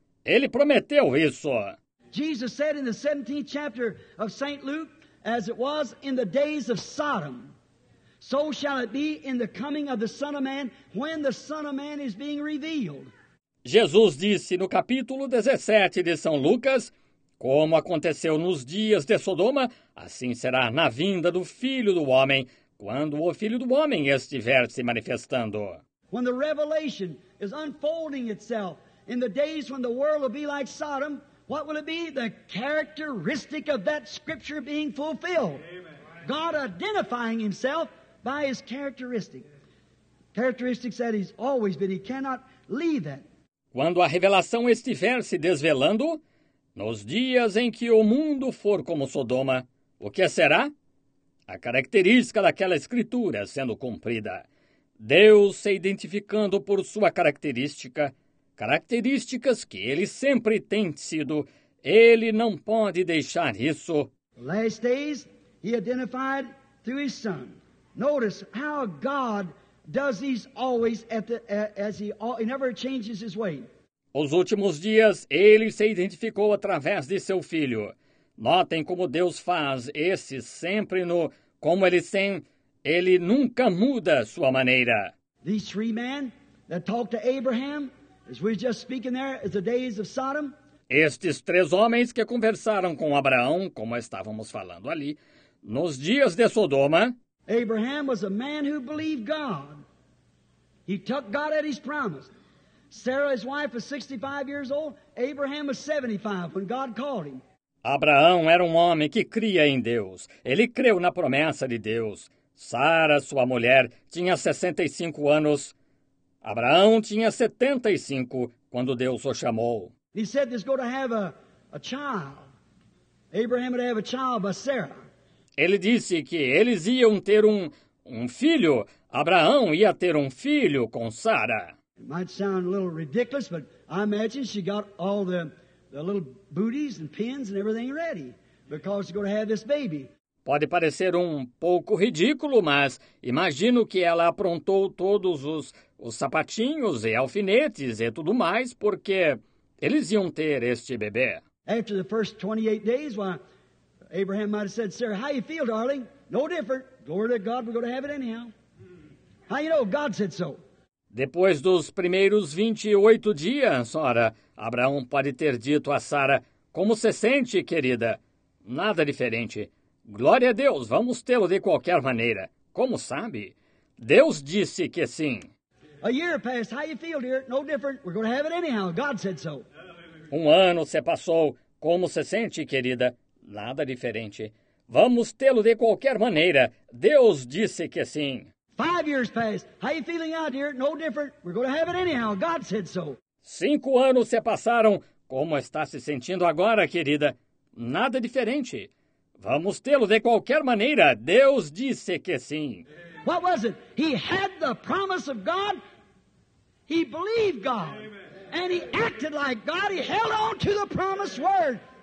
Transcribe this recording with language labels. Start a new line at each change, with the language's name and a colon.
Portuguese: Ele prometeu isso.
English: Jesus said in the 17th chapter of St. Luke, as it was in the days of Sodom, so shall it be in the coming of the Son of Man, when the Son of Man is being revealed.
Portuguese: Jesus disse no capítulo 17 de São Lucas, como aconteceu nos dias de Sodoma, assim será na vinda do Filho do Homem, quando o Filho do Homem estiver se manifestando.
English: When the revelation is unfolding itself in the days when the world will be like Sodom, what will it be? The characteristic of that scripture being fulfilled. Amen. God identifying himself by his characteristic. Characteristics that he's always been. He cannot leave that.
Portuguese: Quando a revelação estiver se desvelando, nos dias em que o mundo for como Sodoma, o que será? A característica daquela escritura sendo cumprida. Deus se identificando por sua característica, características que ele sempre tem sido. Ele não pode deixar isso.
English: Last days, he identified through his son. Notice how God does these always at the, as he never changes his way.
Portuguese: Os últimos dias, ele se identificou através de seu filho. Notem como Deus faz esse sempre no... Como ele tem, ele nunca muda sua maneira.
English: These three men that talked to Abraham, as we were just speaking there, as the days of Sodom.
Portuguese: Estes três homens que conversaram com Abraão, como estávamos falando ali, nos dias de Sodoma.
English: Abraham was a man who believed God. He took God at his promise. Sarah, his wife, was 65 years old. Abraham was 75 when God called him.
Portuguese: Abraão era um homem que cria em Deus. Ele creu na promessa de Deus. Sara, sua mulher, tinha 65 anos. Abraão tinha 75 quando Deus o chamou.
English: He said he's going to have a child. Abraham would have a child by Sarah.
Portuguese: Ele disse que eles iam ter um filho. Abraão ia ter um filho com Sara.
English: It might sound a little ridiculous, but I imagine she got all the little booties and pins and everything ready because you're going to have this baby.
Portuguese: Pode parecer um pouco ridículo, mas imagino que ela aprontou todos os sapatinhos e alfinetes e tudo mais, porque eles iam ter este bebê.
English: After the first 28 days, why, Abraham might have said, Sarah, how you feel, darling? No different. Glory to God, we're going to have it anyhow. How you know? God said so.
Portuguese: Depois dos primeiros 28 dias, ora, Abraão pode ter dito a Sara, como se sente, querida? Nada diferente. Glória a Deus, vamos tê-lo de qualquer maneira. Como sabe? Deus disse que sim.
English: A year passed. How you feel, dear? No different. We're going to have it anyhow. God said so.
Portuguese: Um ano se passou. Como se sente, querida? Nada diferente. Vamos tê-lo de qualquer maneira. Deus disse que sim.
English: 5 years passed. How you feeling out here? No different. We're going to have it anyhow. God said so.
Portuguese: 5 anos se passaram. Como está se sentindo agora, querida? Nada diferente. Vamos tê-lo de qualquer maneira. Deus disse que sim.
English: What was it? He had the promise of God. He believed God. And he acted like God. He held on to the promised word.